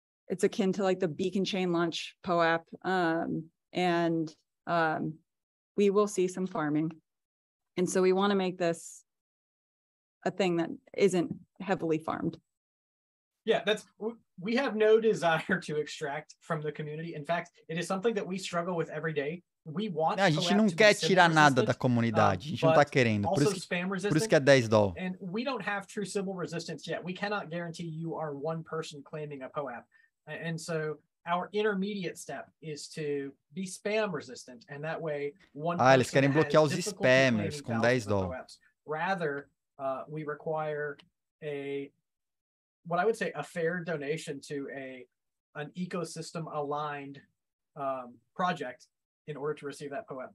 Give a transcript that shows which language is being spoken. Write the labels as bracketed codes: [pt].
[en] It's akin to like the Beacon Chain launch POAP. We will see some farming. And so we want to make this a thing that isn't heavily farmed. Yeah, we have no desire to extract from the community. In fact, it is something that we struggle with every day. We want [pt] a gente não quer tirar nada da comunidade. A gente não tá querendo. Por isso que é $10. [en] And we don't have true civil resistance yet. We cannot guarantee you are one person claiming a POAP. And so our intermediate step is to be spam resistant, and that way one person [pt] eles querem bloquear os spammers com $10. [en] Rather, we require a what I would say a fair donation to an ecosystem aligned project in order to receive that POAP.